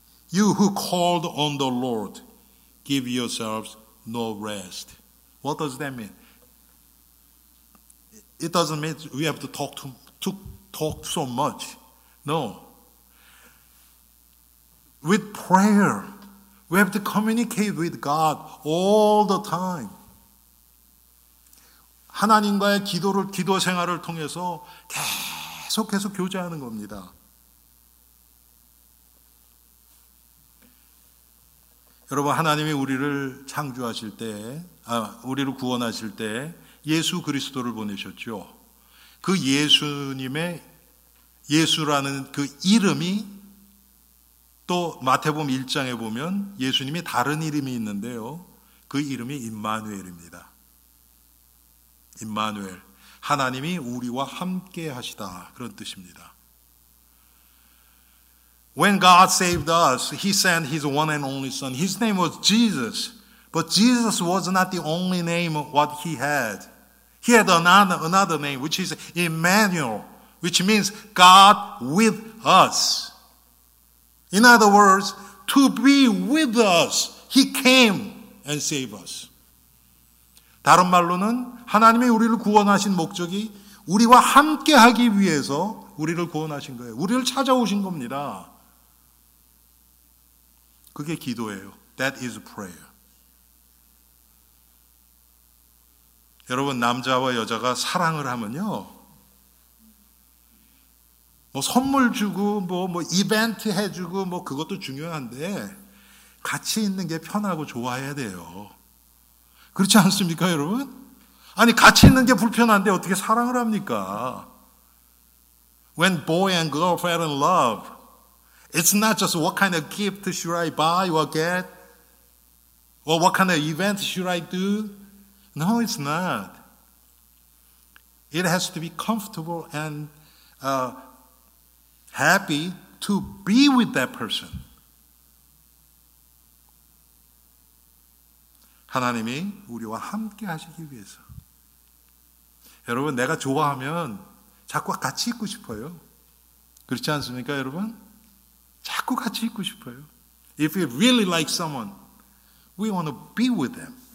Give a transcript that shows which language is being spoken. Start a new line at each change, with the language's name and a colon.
English: You who called on the Lord, give yourselves no rest. What does that mean? It doesn't mean we have to talk so much. No. With prayer, we have to communicate with God all the time.
Korean: 하나님과의 기도를 기도 생활을 통해서 계속해서 교제하는 겁니다. 여러분 하나님이 우리를 창조하실 때, 우리를 구원하실 때 예수 그리스도를 보내셨죠. 그 예수님의 예수라는 그 이름이 또 마태복음 1장에 보면 예수님이 다른 이름이 있는데요. 그 이름이 임마누엘입니다. 임마누엘, 하나님이 우리와 함께 하시다 그런 뜻입니다.
English: When God saved us, He sent His one and only Son. His name was Jesus. But Jesus was not the only name of what He had. He had another name, which is Emmanuel, which means God with us. In other words, to be with us, He came and saved us.
Korean: 다른 말로는 하나님이 우리를 구원하신 목적이 우리와 함께 하기 위해서 우리를 구원하신 거예요. 우리를 찾아오신 겁니다. 그게 기도예요.
English: That is prayer.
Korean: 여러분, 남자와 여자가 사랑을 하면요. 뭐 선물 주고 뭐 이벤트 해주고 뭐 그것도 중요한데 같이 있는 게 편하고 좋아야 돼요. 그렇지 않습니까, 여러분? 아니, 같이 있는 게 불편한데 어떻게 사랑을 합니까?
English: When boy and girl fell in love, it's not just what kind of gift should I buy or get, or what kind of event should I do. No, it's not. It has to be comfortable and happy to be with that person.
Korean: 하나님이 우리와 함께 하시기 위해서. 여러분, 내가 좋아하면 자꾸 같이 있고 싶어요. 그렇지 않습니까, 여러분? 자꾸 같이 있고 싶어요.
English: If we really like someone, we want to be with them.